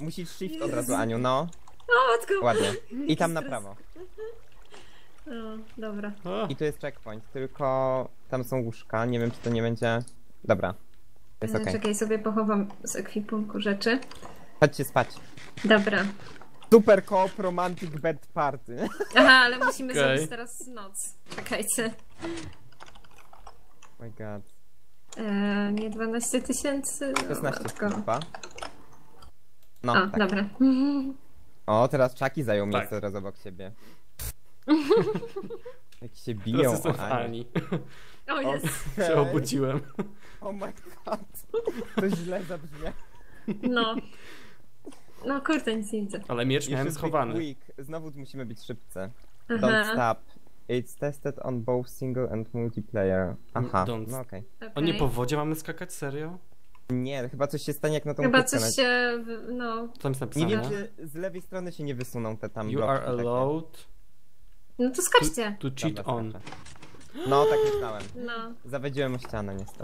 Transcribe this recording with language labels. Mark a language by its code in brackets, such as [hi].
[pl] Musisz shift od razu, Aniu, no. O matko. Ładnie. I tam na prawo. No, dobra. I tu jest checkpoint, tylko tam są łóżka. Nie wiem, czy to nie będzie... Dobra, jest okej. Czekaj, sobie pochowam z ekwipunku rzeczy. Chodźcie spać. Dobra. [en] Super co-op romantic bed party. [pl] Aha, ale musimy okay. Zrobić teraz noc. Czekajcie. [en] Oh my god. [pl] Nie 12 tysięcy? 16 chyba. No, o, tak. Dobra. O, teraz Chucky zajął miejsce teraz obok siebie. Jak się biją, teraz jestem Ani. O, jest. Okay. Się obudziłem. [en] Oh my god. [pl] To źle zabrzmia. No. No kurde, nic nie widzę. Ale miecz miałem schowany. [en] Quick. [pl] Znowu musimy być szybcy. [en] Aha. Don't stop. It's tested on both single and multiplayer. [pl] Aha, no okej. Okay. O, nie po wodzie mamy skakać? Serio? Nie, chyba coś się stanie jak na tą chyba płytkę. Chyba coś się... no... Tam jest napisane. Nie wiem, czy z lewej strony się nie wysuną te tam [en] you [pl] bloki. [en] You are allowed... [pl] Takie. No to skaczcie. [en] To cheat [pl] dobra, on. No, tak myślałem. No. Zawiedziłem o ścianę niestety.